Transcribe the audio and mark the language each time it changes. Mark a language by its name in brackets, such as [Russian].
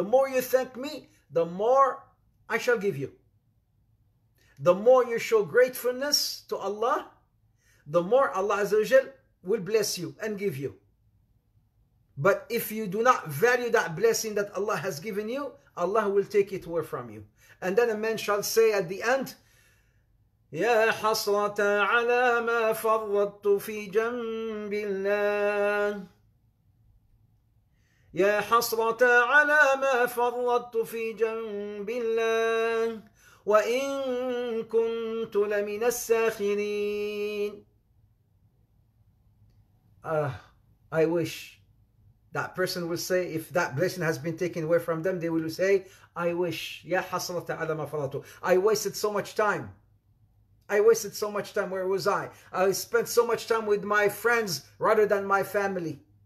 [English] The more you thank me, the more I shall give you. The more you show gratefulness to Allah, the more Allah Azza wa Jal will bless you and give you. But if you do not value that blessing that Allah has given you, Allah will take it away from you. And then a man shall say at the end, [Arabic] يا حسرة على ما فرطت في جنب الله يا حسرة على ما فرطت في جنب الله وإن كنت لمن الساخرين. [English] I wish that person will say, if that blessing has been taken away from them, they will say, I wish, [Arabic] يا حسرة على ما فرطت, [English] I wasted so much time. I wasted so much time. Where was I? I spent so much time with my friends rather than my family.